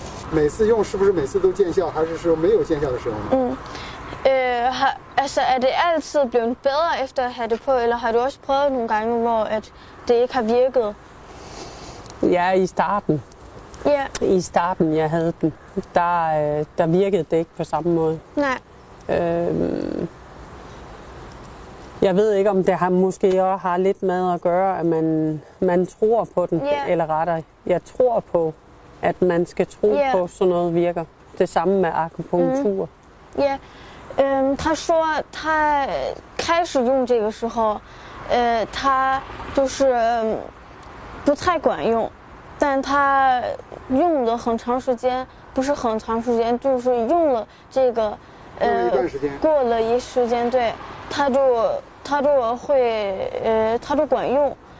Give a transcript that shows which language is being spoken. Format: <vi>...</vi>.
<zh>每次用是不是每次都见效，还是说没有见效的时候呢？</zh> <da>Altså, at det altid blev bedre efter at have det på, eller har du også prøvet nogle gange, hvor at det ikke har virket? Ja, i starten. Ja. I starten, jeg havde den, der virkede det ikke på samme måde. Nej. Jeg ved ikke, om det har, måske også har lidt med at gøre, at man tror på den, ja. Eller retter. Jeg tror på, at man skal tro ja. På, sådan noget virker. Det samme med akupunktur. Mm. Ja.</da> <zh>他说他开始用这个时候，他就是不太管用，但他用了很长时间，不是很长时间，就是用了这个，过了一时间，对，他就管用。</zh>